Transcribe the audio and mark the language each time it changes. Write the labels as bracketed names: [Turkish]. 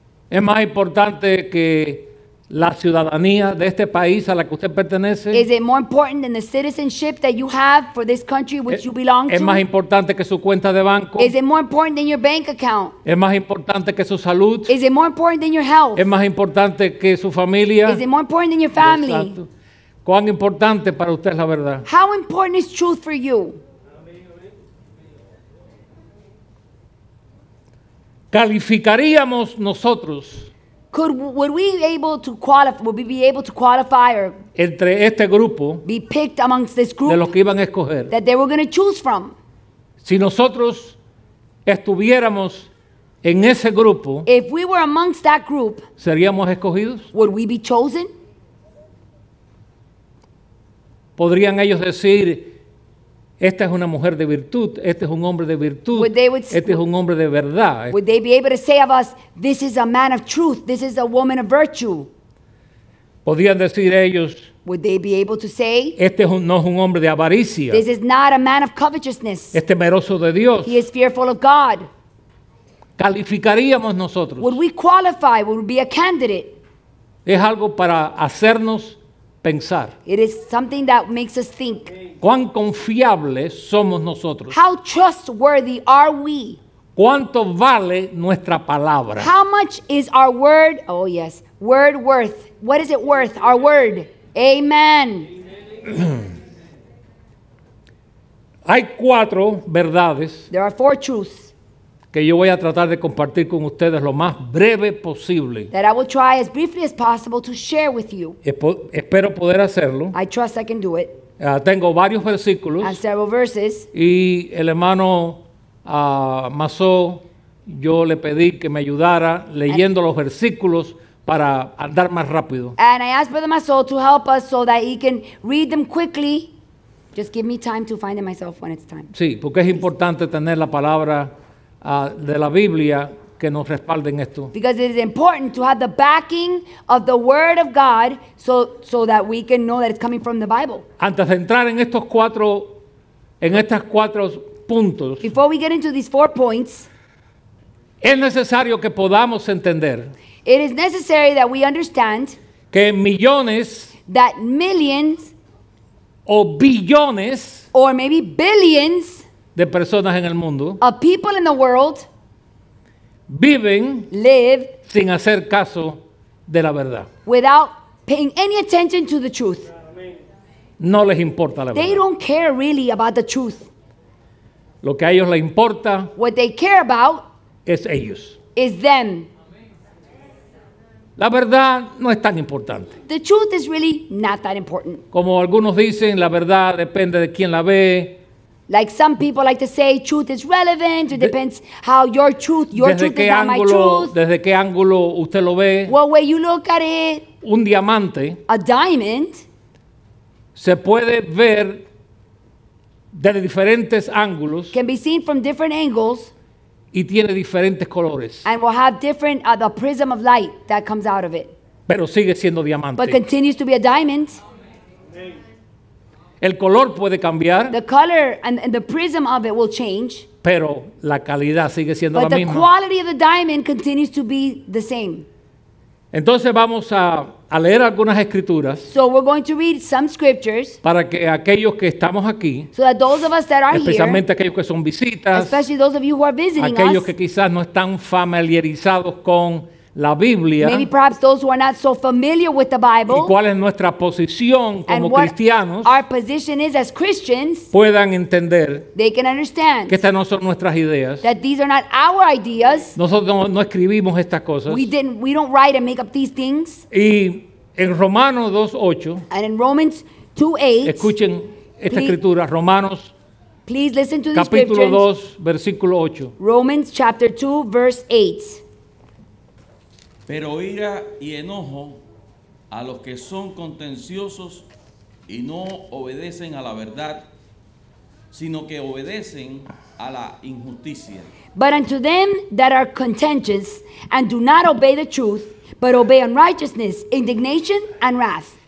[Spanish] ¿Es más importante que la ciudadanía de este país a la que usted pertenece? [English] Is it more important than the citizenship that you have for this country which you belong to? [Spanish] ¿Es más importante que su cuenta de banco? [English] Is it more important than your bank account? [Spanish] ¿Es más importante que su salud? [English] Is it more important than your health? [Spanish] ¿Es más importante que su familia? [English] Is it more important than your family? [Spanish] Exacto. ¿Cuán importante para usted es la verdad? [English] How important is truth for you? [Spanish] Calificaríamos nosotros. [English] Would we be able to qualify or [Spanish] entre este grupo [English] be picked amongst this group [Spanish] de los que iban a escoger, [English] that they were going to choose from? [Spanish] Si nosotros estuviéramos en ese grupo, [English] if we were amongst that group, [Spanish] seríamos escogidos? [English] Would we be chosen? [Spanish] Podrían ellos decir, esta es una mujer de virtud, este es un hombre de virtud, este es un hombre de verdad. [English] Would they be able to say of us, this is a man of truth, this is a woman of virtue? [Spanish] Podrían decir ellos, [English] would they be able to say, [Spanish] este es no es un hombre de avaricia, [English] this is not a man of covetousness, [Spanish] es temeroso de Dios, [English] he is fearful of God. [Spanish] Calificaríamos nosotros. [English] Would we qualify, would we be a candidate? [Spanish] Es algo para hacernos pensar. [English] It is something that makes us think. [Spanish] ¿Cuán confiables somos nosotros? [English] How trustworthy are we? [Spanish] ¿Cuánto vale nuestra palabra? [English] How much is our word? Oh yes, word worth. What is it worth? Our word. Amen. [Spanish] Hay cuatro verdades. [English] There are four truths. [Spanish] Que yo voy a tratar de compartir con ustedes lo más breve posible. [English] That I will try as briefly as possible to share with you. [Spanish] Espero poder hacerlo. [English] I trust I can do it. [Spanish] Tengo varios versículos. [English] And several verses. [Spanish] Y el hermano Masó, yo le pedí que me ayudara leyendo los versículos para andar más rápido. [English] And I asked Brother Masó to help us so that he can read them quickly. Just give me time to find it myself when it's time. [Spanish] Sí, porque es importante tener la palabra de la Biblia que nos respalden esto. [English] Because it is important to have the backing of the Word of God so that we can know that it's coming from the Bible. [Spanish] Antes de entrar en estos cuatro, en estas cuatro puntos, [English] before we get into these four points, [Spanish] es necesario que podamos entender, [English] it is necessary that we understand, [Spanish] que millones, [English] that millions, [Spanish] o billones, [English] or maybe billions, [Spanish] de personas en el mundo, [English] of people in the world, [Spanish] viven, [English] live, [Spanish] sin hacer caso de la verdad, [English] without paying any attention to the truth. [Spanish] No les importa la [English] they [Spanish] verdad. [English] They don't care really about the truth. [Spanish] Lo que a ellos les importa, [English] what they care about, [Spanish] es ellos. [English] Is them. [Spanish] La verdad no es tan importante. [English] The truth is really not that important. [Spanish] Como algunos dicen, la verdad depende de quién la ve. [English] Like some people like to say, truth is relevant. It depends how your truth is not [Spanish] ángulo, [English] my truth. [Spanish] Desde qué ángulo usted lo ve. [English] What way you look at it. [Spanish] Un diamante. [English] A diamond. [Spanish] Se puede ver de diferentes ángulos. [English] Can be seen from different angles. [Spanish] Y tiene diferentes colores. [English] And will have different the prism of light that comes out of it. [Spanish] Pero sigue siendo diamante. [English] But continues to be a diamond. [Spanish] El color puede cambiar. [English] The color and the prism of it will change. [Spanish] Pero la calidad sigue siendo [English] but [Spanish] la misma. [English] But the quality of the diamond continues to be the same. [Spanish] Entonces vamos a leer algunas escrituras. [English] So we're going to read some scriptures. [Spanish] Para que aquellos que estamos aquí. [English] So that those of us that are [Spanish] especialmente aquellos que son visitas. [English] Especially those of you who are visiting [Spanish] aquellos [English] us, [Spanish] que quizás no están familiarizados con la Biblia. [English] Maybe perhaps those who are not so familiar with the Bible. [Spanish] Y cuál es nuestra posición como [English] and [Spanish] cristianos. [English] Our position is as Christians. [Spanish] Puedan entender. [English] They can understand. [Spanish] Que estas no son nuestras ideas. [English] That these are not our ideas. [Spanish] Nosotros no escribimos estas cosas. [English] We don't write and make up these things. [Spanish] Y en Romanos 2:8. [English] And in Romans 2:8. [Spanish] Escuchen esta escritura, Romanos. [English] Please listen to the [Spanish] capítulo 2, versículo 8. [English] Romans chapter 2 verse 8. [Spanish] Pero ira y enojo a los que son contenciosos y no obedecen a la verdad, sino que obedecen a la injusticia. [English] But unto them that are contentious and do not obey the truth, but obey unrighteousness, indignation and wrath.